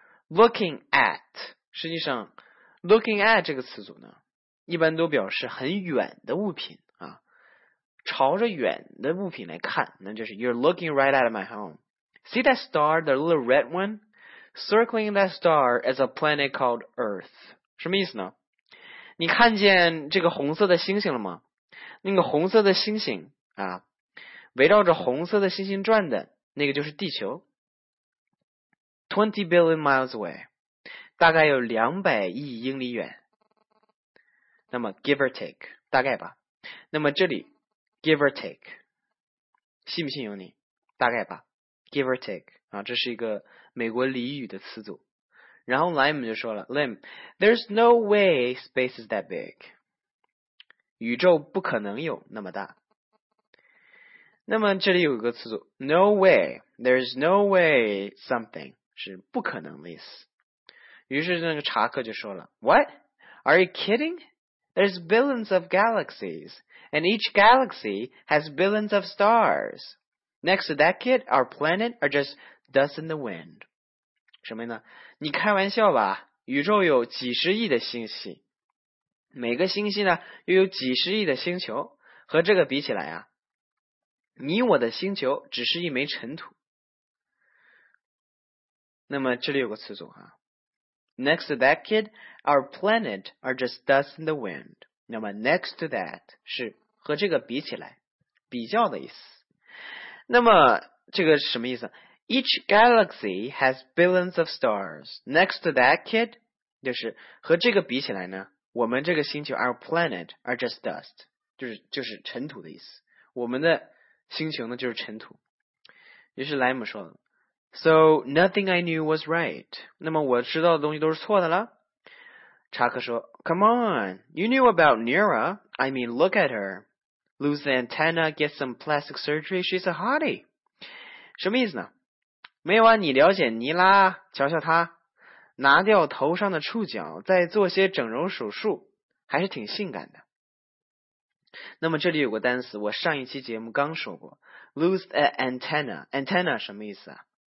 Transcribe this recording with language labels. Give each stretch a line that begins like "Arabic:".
Chinese: Looking at, 实际上 looking at 这个词组呢一般都表示很远的物品，朝着远的物品来看，那就是
English: You're looking right at my home. See that star, the little red one? Circling that star is a planet called Earth.
Chinese: 什么意思呢？你看见这个红色的星星了吗？那个红色的星星啊，围绕着红色的星星转的那个就是地球。
English: 20 billion miles away.
Chinese: 大概有200亿英里远。那么 give or take, 大概吧。那么这里Give or take, 信不信由你，大概吧。 Give or take, 啊，这是一个美国俚语的词组。然后莱姆就说了
English: ,Lim, there's no way space is that big.
Chinese: 宇宙不可能有那么大。那么这里有一个词组 ,no way,
English: there's no way something,
Chinese: 是不可能的意思。于是那个查克就说了 ,
English: What? Are you kidding? There's billions of galaxies. And each galaxy has billions of stars. Next to that kid, our planet are just dust in the wind.
Chinese: 什么呢？你开玩笑吧，宇宙有几十亿的星系。每个星系呢，又有几十亿的星球。和这个比起来啊，你我的星球只是一枚尘土。那么这里有个词组啊。
English: Next to that kid, our planet are just dust in the wind.
Chinese: 那么 next to that 是和这个比起来，比较的意思。那么这个是什么意思？
English: Each galaxy has billions of stars.
Chinese: Next to that kid 就是和这个比起来呢，我们这个星球
English: our planet are just dust,
Chinese: 就是尘土的意思。我们的星球呢就是尘土。于是莱姆说，
English: So nothing I knew was right.
Chinese: 那么我知道的东西都是错的了。查克说
English: ,Come on, you knew about Neera. I mean, look at her. Lose the antenna, get some plastic surgery, she's a hottie.
Chinese: 什么意思呢？没完，你了解尼拉，瞧瞧她，拿掉头上的触角，再做些整容手术，还是挺性感的。那么这里有个单词，我上一期节目刚说过 ,
English: lose the antenna,
Chinese: antenna 什么意思啊？